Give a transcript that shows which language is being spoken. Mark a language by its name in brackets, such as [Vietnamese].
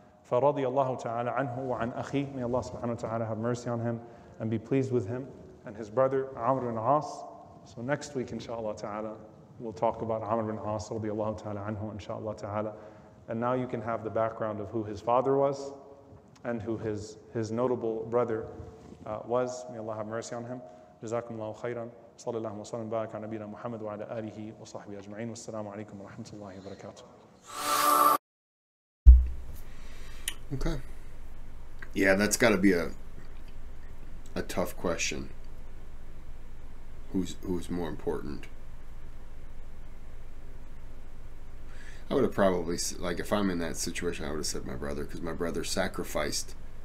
[Arabic] فَرَضِيَ اللَّهُ تَعَالَى عَنْهُ وَعَنْ أَخِيهِ. [English] May Allah subhanahu wa ta'ala have mercy on him and be pleased with him and his brother Amr ibn al-As. So next week, inshallah ta'ala, we'll talk about Amr ibn al-As radiallahu ta'ala anhu, inshallah ta'ala. And now you can have the background of who his father was and who his notable brother was. May Allah have mercy on him. [Arabic] جزاكم الله خيرا صلى الله وسلم بارك على نبينا محمد وعلى آله وصحبه أجمعين والسلام عليكم ورحمة الله وبركاته. [English] Okay. Yeah, that's got to be a tough question. Who's more important? I would have probably, like, if I'm in that situation, I would have said my brother, because my brother sacrificed.